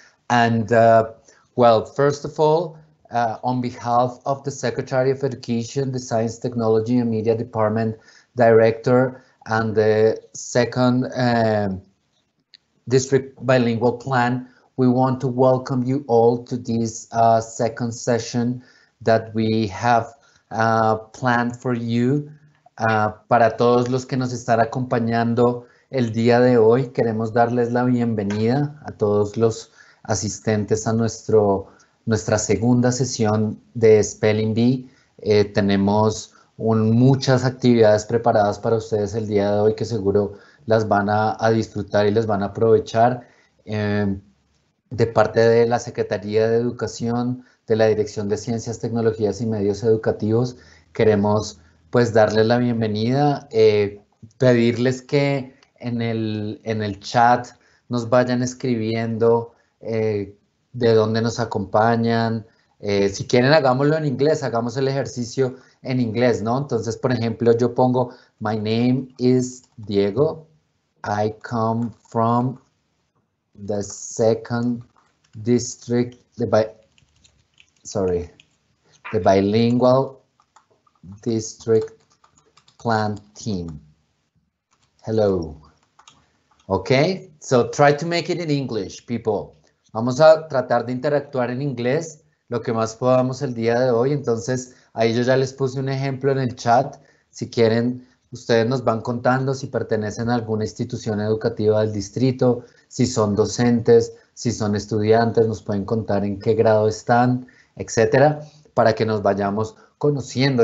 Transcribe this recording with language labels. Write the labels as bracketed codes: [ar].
[en] And well, first of all, on behalf of the Secretary of Education, the Science, Technology and Media Department Director, and the second district bilingual plan, we want to welcome you all to this second session that we have planned for you. [es] Para todos los que nos están acompañando el día de hoy, queremos darles la bienvenida a todos los asistentes a nuestra segunda sesión de Spelling Bee. Tenemos muchas actividades preparadas para ustedes el día de hoy que seguro las van a disfrutar y les van a aprovechar. De parte de la Secretaría de Educación, de la Dirección de Ciencias, Tecnologías y Medios Educativos, queremos pues darles la bienvenida, pedirles que en el chat nos vayan escribiendo de dónde nos acompañan. Si quieren, hagámoslo en inglés, hagamos el ejercicio en inglés, ¿no? Entonces, por ejemplo, yo pongo, [en] My name is Diego. I come from the second district, the bilingual district plan team. Hello. Okay, so try to make it in English, people. [es] Vamos a tratar de interactuar en inglés lo que más podamos el día de hoy. Entonces, ahí yo ya les puse un ejemplo en el chat. Si quieren, ustedes nos van contando si pertenecen a alguna institución educativa del distrito, si son docentes, si son estudiantes, nos pueden contar en qué grado están, etcétera, para que nos vayamos conociendo.